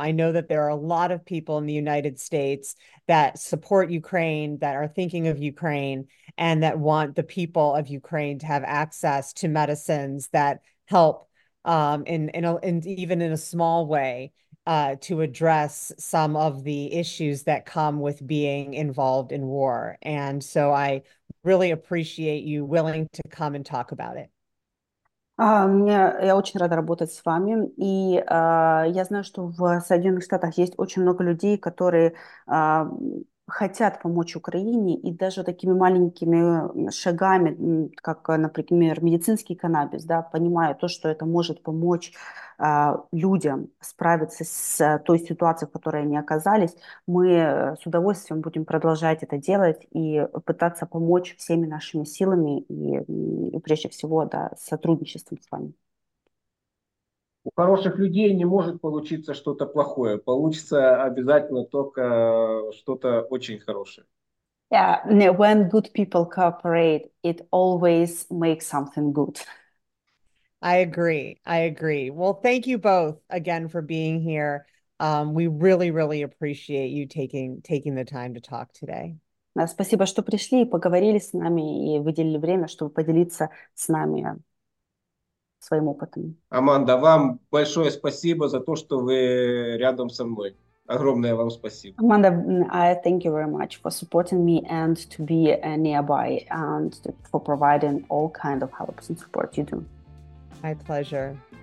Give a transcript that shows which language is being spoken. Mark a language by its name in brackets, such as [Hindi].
[English] I know that there are a lot of people in the United States that support Ukraine, that are thinking of Ukraine, and that want the people of Ukraine to have access to medicines that help. And even in a small way, to address some of the issues that come with being involved in war. And so I really appreciate you willing to come and talk about it. [Russian] Я очень рада работать с вами, и я знаю, что в Соединенных Штатах есть очень много людей, которые хотят помочь Украине, и даже такими маленькими шагами, как, например, медицинский каннабис, да, понимая то, что это может помочь людям справиться с той ситуацией, в которой они оказались, мы с удовольствием будем продолжать это делать и пытаться помочь всеми нашими силами и прежде всего, да, сотрудничеством с вами. У хороших людей не может получиться что-то плохое. Получится обязательно только что-то очень хорошее. [English] Yeah, when good people cooperate, it always makes something good. I agree. I agree. Well, thank you both again for being here. We really, really appreciate you taking the time to talk today. [Russian] Спасибо, что пришли и поговорили с нами и выделили время, чтобы поделиться с нами своим опытом. Аманда, вам большое спасибо за то, что вы рядом со мной. Огромное вам спасибо. [English] Amanda, I thank you very much for supporting me and to be nearby and for providing all kind of helps and support you do. My pleasure.